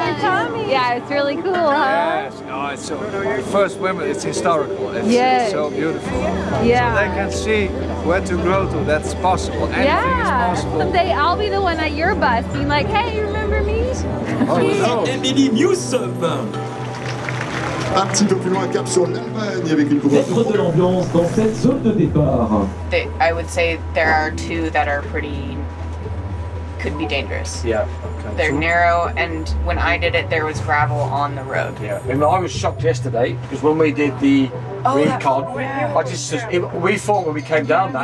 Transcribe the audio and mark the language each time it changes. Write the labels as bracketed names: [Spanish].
[English] And Tommy. Yeah, it's really cool, huh? Yes. No, it's so first women, it's historical. It's so beautiful. Yeah. So they can see where to grow to, that's possible. Anything is possible. They, I'll be the one at your bus being like, hey, you remember me? Oh, no. Emily Newsom. [French] Un petit peu plus loin, cap sur l'Allemagne avec une grosse. Mettre de l'ambiance dans cette zone de départ. [English] I would say there are two that are pretty. Could be dangerous. Yeah. Okay. They're narrow, and when I did it, there was gravel on the road. Yeah. I mean, I was shocked yesterday because when we did the recon, we thought when we came down that.